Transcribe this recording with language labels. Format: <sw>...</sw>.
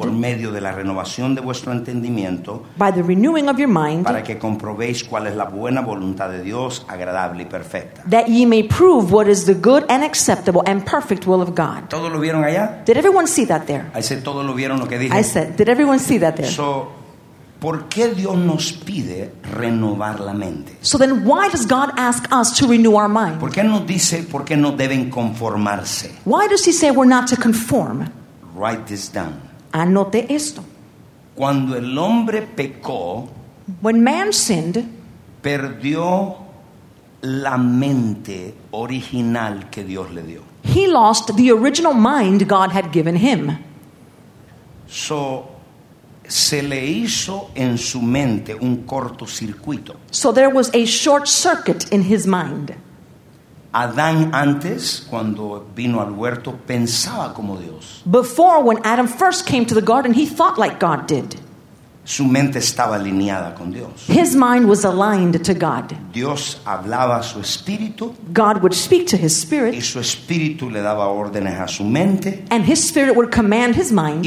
<es>Por medio de la renovación de vuestro entendimiento.</es> <en>By the renewing of your mind.</en> <es>Para que comprobéis cuál es la buena voluntad de Dios, agradable y perfecta.</es> <en>That ye may prove what is the good and acceptable and perfect will of God.</en> <es>¿Todos lo vieron allá?</es> <en>Did everyone see that there? I said,</en> <es>¿todos lo vieron lo que dije?</es> <en>I said, did everyone see that there? So,</en> <es>¿Por qué Dios nos pide renovar la mente?</es> <en>So then why does God ask us to renew our mind?</en> <es>¿Por qué nos dice por qué no deben conformarse?</es> <en>Why does he say we're not to conform? Write this down.</en> <es>Anote esto. Cuando el hombre pecó,</es> <en>when man sinned,</en> <es>perdió la mente original que Dios le dio.</es> <en>He lost the original mind God had given him.</en> <es>So, se le hizo en su mente un cortocircuito.</es> <en>So there was a short circuit in his mind.</en> <es>Adán antes, cuando vino al huerto, pensaba como Dios.</es> <en>Before, when Adam first came to the garden, he thought like God did.</en> <es>Su mente estaba alineada con Dios.</es> <en>His mind was aligned to God.</en> <es>Dios hablaba a su espíritu.</es> <en>God would speak to his spirit.</en> <es>Y su espíritu le daba órdenes a su mente.</es> <en>And his spirit would command his mind.</en>